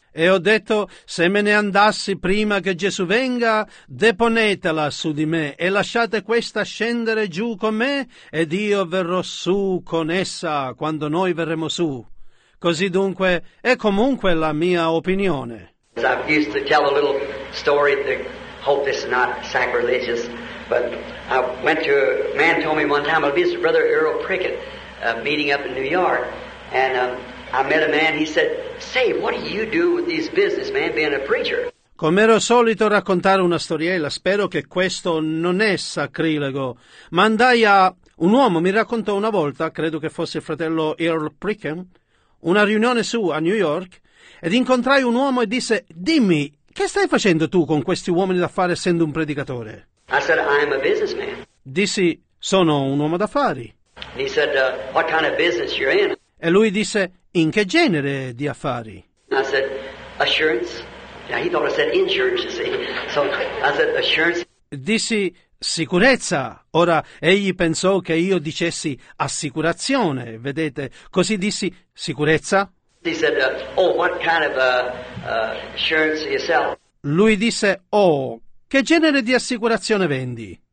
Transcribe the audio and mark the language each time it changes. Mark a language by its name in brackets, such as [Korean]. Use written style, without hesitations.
[Italian] E ho detto, se me ne andassi prima che Gesù venga, deponetela su di me e lasciate questa scendere giù con me ed io verrò su con essa quando noi verremo su. Così dunque è comunque la mia opinione. [English] I've used to tell a little story, I hope this is not sacrilegious, but I went to, a man told me one time, it was Brother Earl Prickett, meeting up in New York, and I met a man, he said, say, what do you do with these business, man, being a preacher? [Italian] Com'ero solito raccontare una storiella, spero che questo non è sacrilego, ma andai a un uomo, mi raccontò una volta, credo che fosse il fratello Earl Prickett, una riunione sua a New York, ed incontrai un uomo e disse, dimmi, che stai facendo tu con questi uomini d'affari essendo un predicatore? [English] I said, I'm a businessman. [Italian] Dissi, sono un uomo d'affari. [English] And he said, what kind of business you're in? [Italian] E lui disse, in che genere di affari? [English] I said, assurance. Yeah, he thought I said insurance, you see. So I said, assurance. [Italian] Dissi, sicurezza. Ora, egli pensò che io dicessi assicurazione, vedete? Così dissi, sicurezza. [English] He said, oh, what kind of insurance you sell? [Italian] Lui disse, oh, che genere di assicurazione vendi?